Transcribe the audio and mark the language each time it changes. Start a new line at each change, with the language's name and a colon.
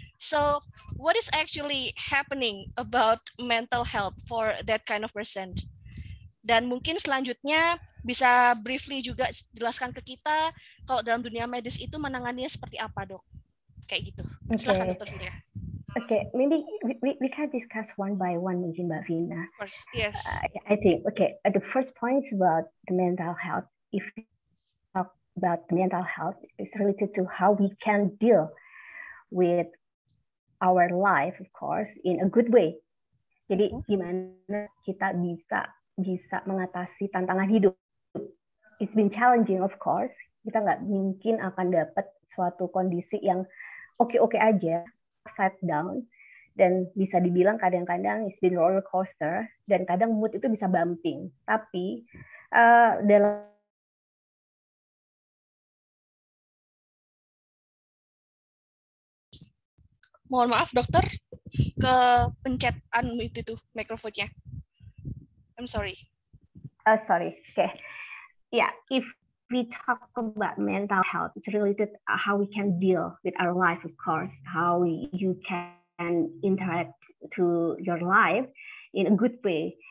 English: So what is actually happening about mental health for that kind of person?
Indonesian: Dan mungkin selanjutnya bisa briefly juga jelaskan ke kita kalau dalam dunia medis itu menanganinya seperti apa, Dok? Kayak gitu.
English: Okay.
Indonesian: Silakan Dokter Fina.
English: Okay, maybe we can discuss one by one,
Indonesian: mungkin Mbak Vina.
English: First, yes. I think okay. The first point is about the mental health. If we talk about mental health, it's related to how we can deal with our life, of course, in a good way.
Indonesian: Jadi gimana kita bisa mengatasi tantangan hidup?
English: It's been challenging, of course.
Indonesian: Kita nggak mungkin akan dapat suatu kondisi yang oke-oke aja.
English: Upside down,
Indonesian: dan bisa dibilang kadang-kadang
English: it's been roller coaster,
Indonesian: dan kadang mood itu bisa bumping. Tapi dalam mohon maaf dokter, ke pencet unmute itu mikrofonnya.
English: I'm sorry. Sorry. Okay. Yeah, if we talk about mental health, it's related to how we can deal with our life, of course, how you can interact to your life in a good way.